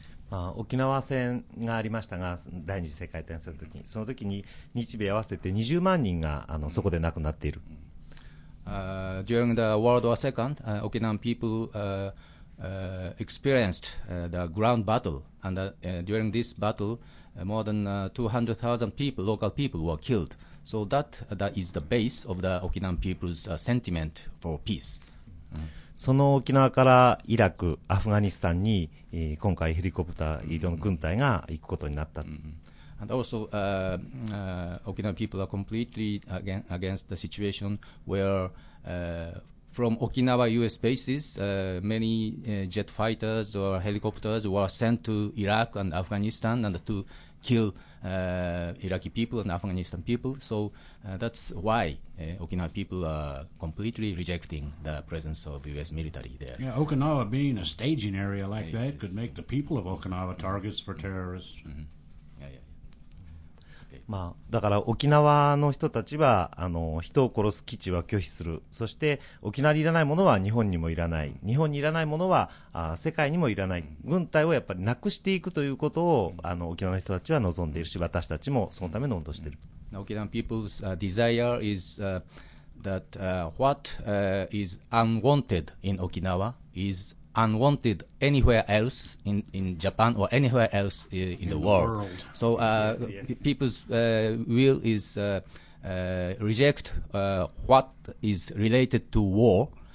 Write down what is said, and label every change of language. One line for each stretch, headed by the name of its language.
Japanese: まあ沖縄戦がありましたが、第二次世界大戦の時に、その時に日米合わせて20万人があのそこで亡くなっている。
English: During the World War II, Okinawan people experienced the ground battle, and during this battle, more than 200,000 people, local people, were killed. So that is the base of the Okinawan people's sentiment for peace.
Japanese: その沖縄からイラク、アフガニスタンに今回ヘリコプター移動の軍隊が行くことになった。 Mm-hmm.
English: And also, Okinawa people are completely against the situation where from Okinawa U.S. bases, many jet fighters or helicopters were sent to Iraq and Afghanistan and to kill Iraqi people and Afghanistan people. So that's why Okinawa people are completely rejecting the presence of U.S. military there. Yeah, Okinawa being a staging area like that could make the people of Okinawa targets for terrorists. Mm-hmm.
Japanese: まあ、だから沖縄の人たちはあの人を殺す基地は拒否する。そして沖縄にいらないものは日本にもいらない、日本にいらないものはあ世界にもいらない、軍隊をやっぱりなくしていくということをあの沖縄の人たちは望んでいるし、私たちもそのための運動している。
English: 沖縄 people's desire is that what is unwanted in Okinawa is unwanted anywhere else in Japan or anywhere else in the world. So yes. People's will is reject what is related to war.